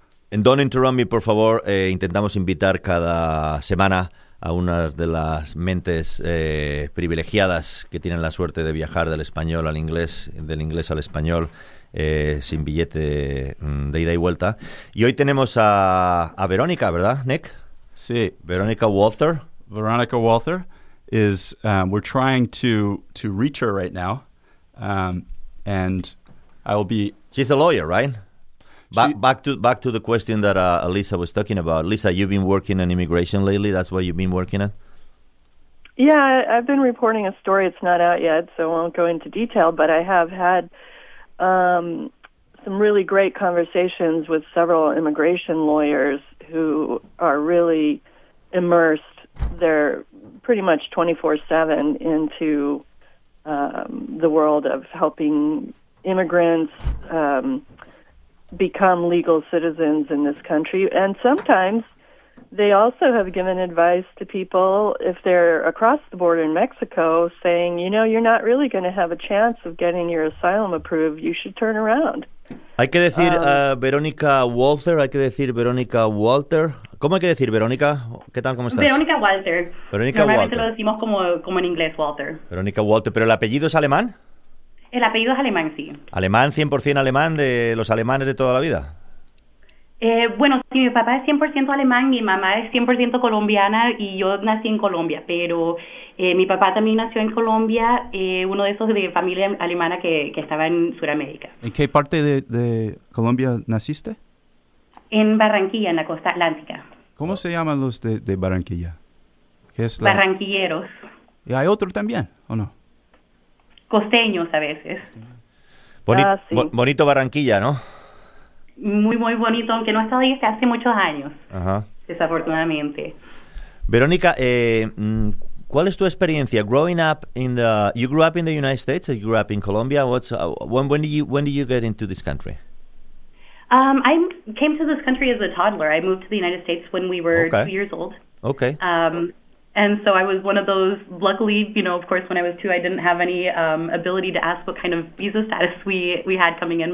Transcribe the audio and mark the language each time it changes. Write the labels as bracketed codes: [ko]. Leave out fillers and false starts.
[es] En Don't Interrupt Me, por favor, intentamos invitar cada semana a una de las mentes privilegiadas que tienen la suerte de viajar del español al inglés, del inglés al español, sin billete de ida y vuelta. Y hoy tenemos a Verónica, ¿verdad, Nick? Sí. Verónica Walther. [en] Veronica Walther is, we're trying to reach her right now, and I will be... She's a lawyer, right? Back to the question that Lisa was talking about. Lisa, you've been working on immigration lately. That's what you've been working on? Yeah, I've been reporting a story. It's not out yet, so I won't go into detail, but I have had some really great conversations with several immigration lawyers who are really immersed. They're pretty much 24/7 into the world of helping immigrants become legal citizens in this country. And sometimes they also have given advice to people if they're across the border in Mexico, saying, you know, you're not really going to have a chance of getting your asylum approved. You should turn around. [es] Hay que decir Verónica Walther. Hay que decir Verónica Walther. ¿Cómo hay que decir, Verónica? ¿Qué tal? ¿Cómo estás? Verónica Walther. Verónica Normalmente Walther. Lo decimos como en inglés, Walther. Verónica Walther. ¿Pero el apellido es alemán? El apellido es alemán, sí. ¿Alemán, 100% alemán, de los alemanes de toda la vida? Bueno, sí, mi papá es 100% alemán, mi mamá es 100% colombiana y yo nací en Colombia, pero mi papá también nació en Colombia, uno de esos de familia alemana que estaba en Sudamérica. ¿En qué parte de Colombia naciste? En Barranquilla, en la costa atlántica. ¿Cómo se llaman los de Barranquilla? ¿Qué es la... Barranquilleros. ¿Y hay otro también, o no? Costeños a veces. Bonito Barranquilla, ¿no? Muy, muy bonito, aunque no he estado ahí desde hace muchos años. Ajá. Desafortunadamente. Verónica, ¿cuál es tu experiencia? [en] Growing up in the... You grew up in the United States, or you grew up in Colombia. What's when did you get into this country? I came to this country as a toddler. I moved to the United States when we were 2 years old. Okay. And so I was one of those, luckily, you know, of course, when I was 2, I didn't have any ability to ask what kind of visa status we had coming in.